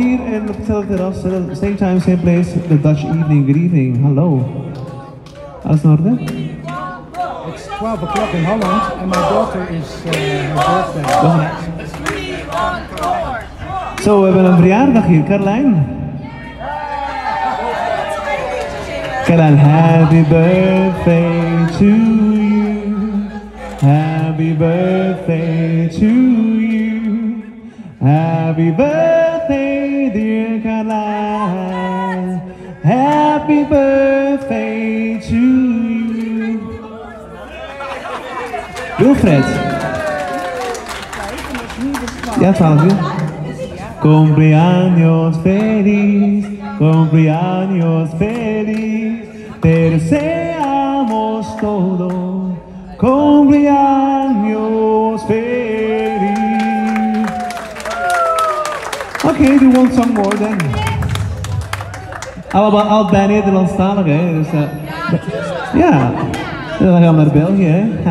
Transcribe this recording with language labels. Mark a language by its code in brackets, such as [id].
[en] Same time, same place, the Dutch evening. Good evening, hello. As Norden? It's 12 o'clock in Holland, and my daughter is my birthday. [nl] So, we hebben een verjaardag hier, Caroline. [en] Caroline, happy birthday to you. Happy birthday to you. Happy birthday, dear Caroline. Happy birthday to you. Wilfred. [es] Ja, Fabio. Cumpleaños feliz. Cumpleaños feliz. Te deseamos todo. Cumpleaños feliz. [en] Okay, do one song more then. [nl] Allemaal bij Nederlandstalig, hè? Dus, ja. Dan gaan we naar België, hè?